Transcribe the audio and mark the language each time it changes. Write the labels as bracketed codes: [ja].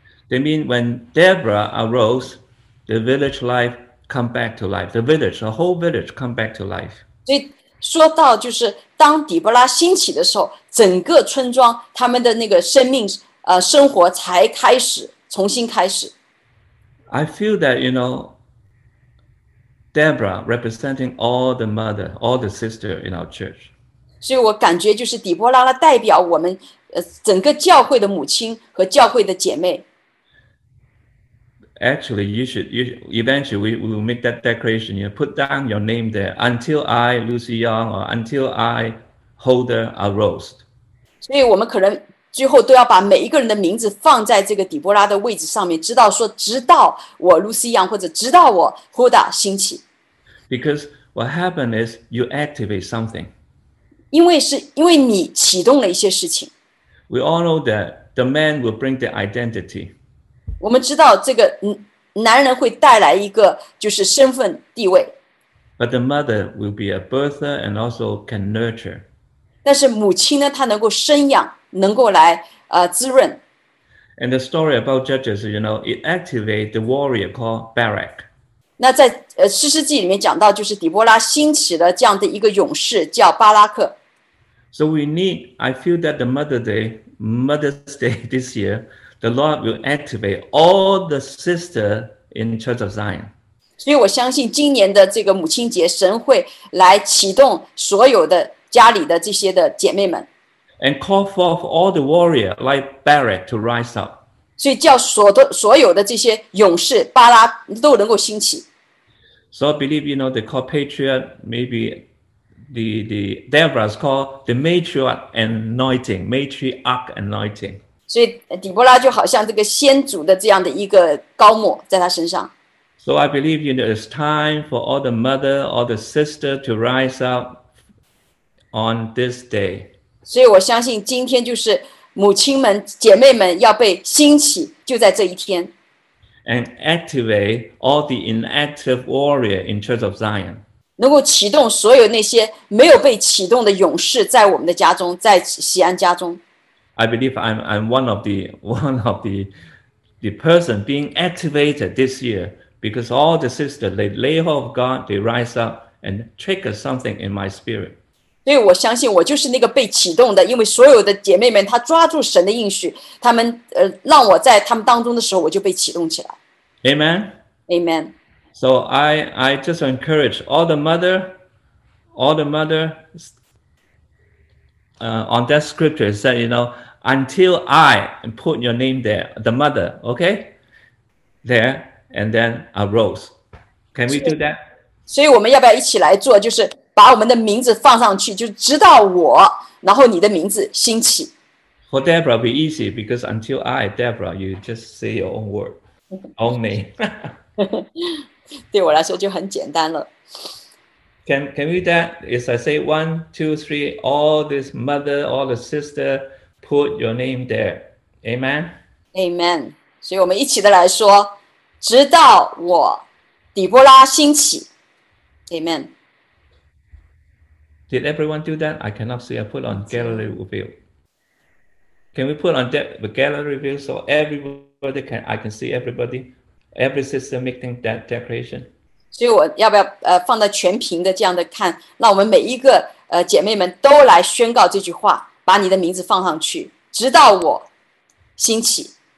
[en] They mean when Deborah arose, the village life come back to life. The village, the whole village come back to life. [zh] 所以说到就是当底波拉兴起的时候，整个村庄他们的那个生命生活才开始重新开始。 [en] I feel that, you know,Deborah representing all the mother, all the sister in our church. [zh] 所以我感觉就是底波拉拉代表我们整个教会的母亲和教会的姐妹。 [en] Actually, eventually we will make that declaration. You know, put down your name there until I, Lucy Young, or until I, Holder, are roast. [zh] 所以我们可能最后都要把每一个人的名字放在这个底波拉的位置上面，直到说，直到我 Lucy Young 或者直到我 Holder 兴起。 [en] Because what happened is you activate something. [zh] 因为你启动了一些事情。 [en] We all know that the man will bring the identity. [zh] 我们知道这个男人会带来一个就是身份地位。 [en] But the mother will be a birther and also can nurture. [zh] 但是母亲呢，她能够生养，能够来滋润。 [en] And the story about Judges, you know, it activates the warrior called Barak. [zh] 那在诗诗记里面讲到，就是底波拉兴起的这样的一个勇士叫巴拉克。 [en] So we need, I feel that the Mother's Day this year, the Lord will activate all the sisters in Church of Zion. [zh] 所以我相信今年的这个母亲节，神会来启动所有的家里的这些的姐妹们。 [en] And call forth all the warriors like Barak to rise up. [zh] 所以叫所有的这些勇士巴拉都能够兴起。 [en] So I believe, you know, they call patriot, maybe the Deborah is called the matriarch anointing, matriarch anointing. [zh] 所以底波拉就好像这个先祖的这样的一个高抹在他身上。 [en] So I believe, you know, it's time for all the mother, all the sister to rise up on this day. [zh] 所以我相信今天就是母亲们、姐妹们要被兴起，就在这一天。 [en] And activate all the inactive warrior in Church of Zion. [zh] 能够启动所有那些没有被启动的勇士，在我们的家中，在西安家中。 [en] I believe I'm one of the person being activated this year because all the sisters they lay hold of God, they rise up and trigger something in my spirit. [zh] 所以我相信我就是那个被启动的，因为所有的姐妹们她抓住神的应许，她们让我在她们当中的时候，我就被启动起来。 [en] Amen. Amen. So I just encourage all the mother, on that scripture said, you know, until I put your name there, the mother, okay, there, and then arose. Can we do that? [zh] 所以我们要不要一起来做？就是把我们的名字放上去，就直到我，然后你的名字兴起。 [en] For Deborah, it'll be easy because until I, Deborah, you just say your own word, own name. [zh] 对我来说就很简单了。 [en] Can we do that? As I say, 1, 2, 3, all this mother, all the sister, put your name there. Amen. Amen. [zh] 所以我们一起的来说，直到我底波拉兴起。 [en] Amen. Did everyone do that? I cannot see. I put on gallery view. Can we put on the gallery view so everybody can? I can see everybody. Every sister making that declaration. [zh] 所以我要不要放到全屏的这样的看？让我们每一个姐妹们都来宣告这句话，把你的名字放上去，直到我兴起。